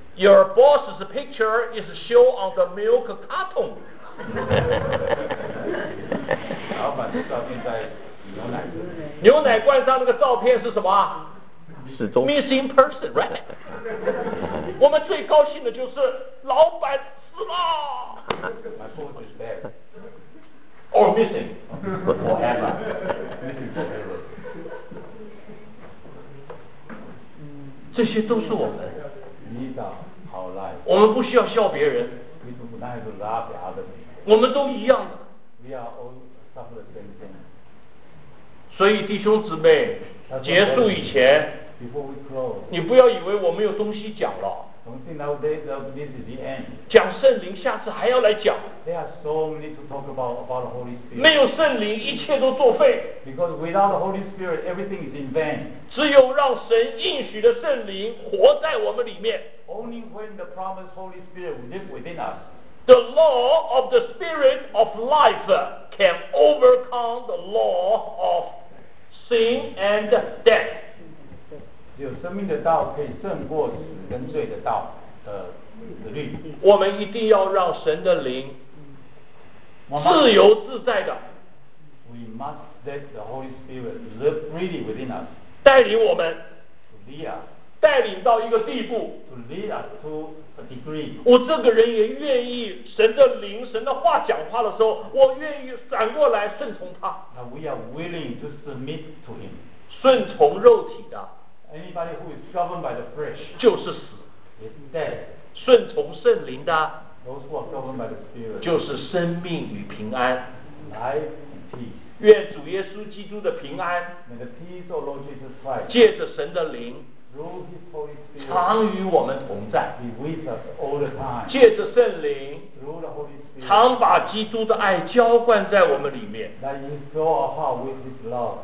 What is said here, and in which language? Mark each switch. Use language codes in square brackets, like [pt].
[en] your boss's picture is shown on the milk carton. [zh] 老板的照片在。牛奶罐上那个照片是什么？失踪。 [en] Missing person, right? [zh] 我们最高兴的就是老板死了。 [en] My boss is dead. Or missing. Forever. Missing forever. [zh] 这些都是我们。 [en] Need a hard life. [zh] 我们不需要笑别人。 [en] We do not have to laugh at others. [zh] 我们都一样的。 [en] We are all suffer the same thing. [zh] 所以弟兄姊妹结束以前 [en] close, [zh] 你不要以为我们有东西讲了 [en] nowadays, this is the end. [zh] 讲圣灵下次还要来讲 [en] There are so many to talk about the Holy Spirit. [zh] 没有圣灵一切都作废 [en] Because without the Holy Spirit, everything is in vain. [zh] 只有让神应许的圣灵活在我们里面 [en] Only when the promised Holy Spirit lives within us The law of the spirit of life can overcome the law of sin and death. [zh] 只有生命的道可以胜过死跟罪的道的律。我们一定要让神的灵自由自在的。 [en] We must let the Holy Spirit live freely within us. [zh] 带领我们。 [en] To lead us. [zh] 带领到一个地步 [en] to lead us to a degree. [zh] 我这个人也愿意神的灵神的话讲话的时候我愿意转过来顺从他 [en] Now we are willing to submit to him. [zh] 顺从肉体的 [en] Anybody who is governed by the flesh [zh] 就是死 [en] is dead. [zh] 顺从圣灵的 [en] Those who are governed by the spirit [zh] 就是生命与平安 [en] Life and peace [zh] 愿主耶稣基督的平安 [en] May the peace of Lord Jesus Christ [zh] 借着神的灵常与我们同在 [en] be with us all the time, [zh] 借着圣灵 [en] through the Holy Spirit, [zh] 常把基督的爱浇灌在我们里面 [en] that you fill our heart with his love,